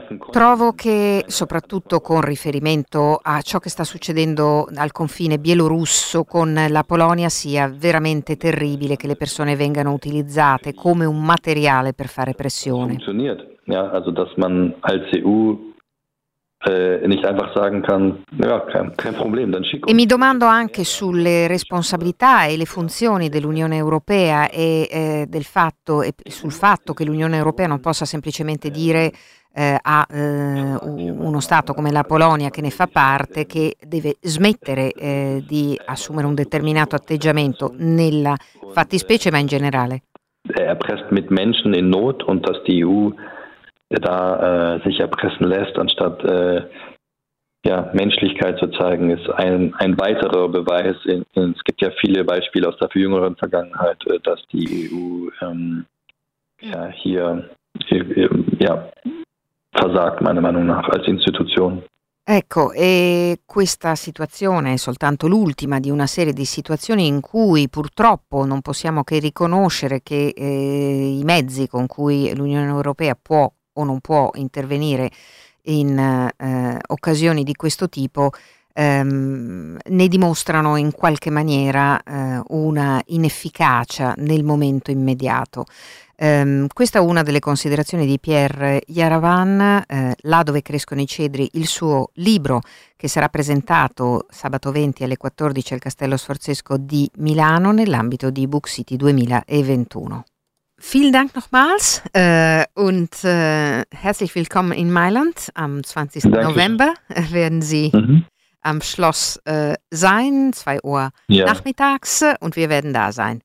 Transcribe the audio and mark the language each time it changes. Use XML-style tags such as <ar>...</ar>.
<it>Trovo che soprattutto con riferimento a ciò che sta succedendo al confine bielorusso con la Polonia sia veramente terribile che le persone vengano utilizzate come un materiale per fare pressione.</it> <de>Funktioniert, ja, also dass man als EU nicht einfach sagen kann, ja, kein Problem, dann schick uns.</de> <it>E mi domando anche sulle responsabilità e le funzioni dell'Unione Europea e del fatto e sul fatto che l'Unione Europea non possa semplicemente dire a uno Stato come la Polonia che ne fa parte che deve smettere di assumere un determinato atteggiamento nella fattispecie ma in generale.</it> <de>Erpresst mit Menschen in Not und dass die EU da sich erpressen lässt, anstatt ja, Menschlichkeit zu zeigen, ist ein weiterer Beweis. Es gibt ja viele Beispiele aus der viel jüngeren Vergangenheit, dass die EU ja, hier ja, versagt, meiner Meinung nach, als Institution.</de> <it>Ecco, e questa situazione è soltanto l'ultima di una serie di situazioni in cui purtroppo non possiamo che riconoscere che i mezzi con cui l'Unione Europea può o non può intervenire in occasioni di questo tipo, ne dimostrano in qualche maniera una inefficacia nel momento immediato. Questa è una delle considerazioni di Pierre Yaravan, Là dove crescono i cedri, il suo libro che sarà presentato sabato 20 alle 14 al Castello Sforzesco di Milano nell'ambito di Book City 2021.</it> <de>Vielen Dank nochmals und herzlich willkommen in Mailand. Am 20. Danke. November werden Sie am Schloss sein, 2 Uhr nachmittags, und wir werden da sein.</de>